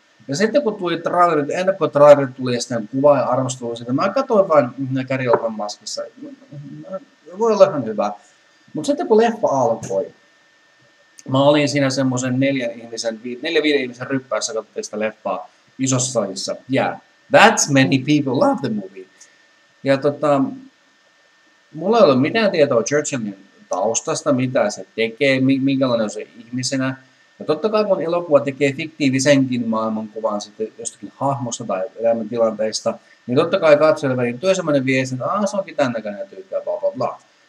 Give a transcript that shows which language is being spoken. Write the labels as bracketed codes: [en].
[fi] Ja sitten kun tuli trailerit, ennakkotrailerit tuli ja sitten kuva ja arvostelu, mä katsoin vain Gary Oldman maskissa. Voi olla ihan hyvä. Mutta sitten kun leffa alkoi, mä olin siinä semmoisen neljän viiden ihmisen ryppäässä, katsottiin sitä leffaa isossa salissa. [en] Yeah, that's many people love the movie. [fi] Ja mulla ei ollut mitään tietoa Churchillin taustasta, mitä se tekee, minkälainen on se ihmisenä. Ja totta kai kun elokuva tekee fiktiivisenkin maailmankuvan sitten jostakin hahmosta tai elämäntilanteista, niin totta kai katsojille välittyy semmoinen viesti, että se onkin tämän näköinen tyyppiä, bla bla bla.